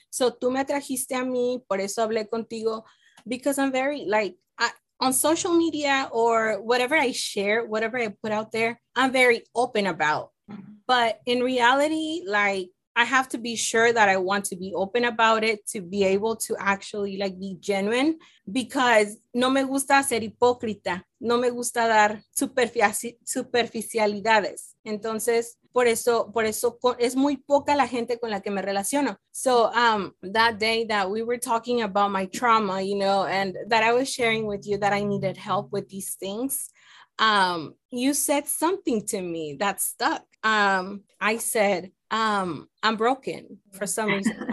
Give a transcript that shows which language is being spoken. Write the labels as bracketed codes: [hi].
[en] So [es] tú me trajiste a mí, por eso hablé contigo, [en] because I'm very like, on social media or whatever I share, whatever I put out there, I'm very open about. But in reality, like, I have to be sure that I want to be open about it to be able to actually like be genuine, because [es] no me gusta ser hipócrita. No me gusta dar superficialidades. Entonces, por eso es muy poca la gente con la que me relaciono. [en] So that day that we were talking about my trauma, you know, and that I was sharing with you that I needed help with these things, you said something to me that stuck. I said, I'm broken for some reason.